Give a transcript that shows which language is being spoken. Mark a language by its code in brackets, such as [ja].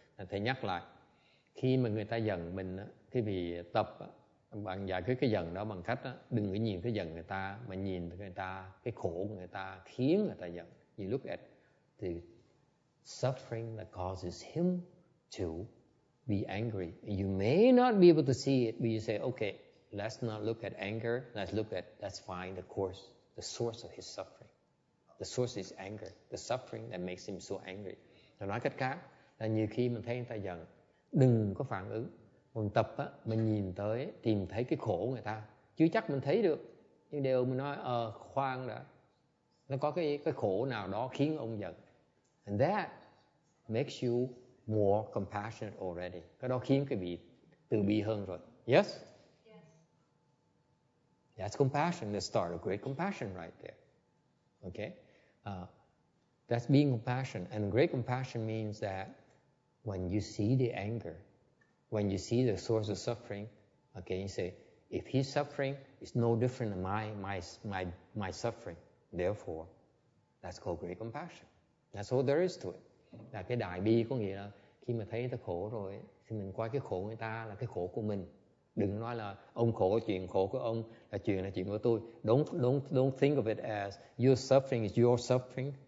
[vi] Thầy nhắc lại, khi mà người ta giận mình á, khi bị tập á, bạn giải quyết cái giận đó bằng cách đó, đừng có nhìn cái giận người ta, mà nhìn người ta, cái khổ của người ta khiến người ta giận. [en] You look at the suffering that causes him to be angry. You may not be able to see it, but you say, okay, let's not look at anger, let's find the cause, the source of his suffering. The source is anger, the suffering that makes him so angry. [vi] Rồi nói cách khác, là nhiều khi mình thấy người ta giận, đừng có phản ứng. Mình tập á, mình nhìn tới, tìm thấy cái khổ người ta. Chưa chắc mình thấy được. Nhưng điều mình nói, khoan đã. Nó có cái khổ nào đó khiến ông giận. [en] And that makes you more compassionate already. [vi] Cái đó khiến cái vị từ bi hơn rồi. [en] Yes? Yes. That's compassion. The start of great compassion right there. Okay? That's being compassionate. And great compassion means that when you see the anger, when you see the source of suffering, Okay, you say, if he's suffering, it's no different than my suffering. Therefore, that's called great compassion. That's all there is to it. [vi] Là cái đại bi có nghĩa là khi mà thấy người ta khổ rồi thì mình coi cái khổ người ta là cái khổ của mình. Đừng nói là ông khổ, chuyện khổ của ông là chuyện của tôi. [en] Don't think of it as your suffering is your suffering.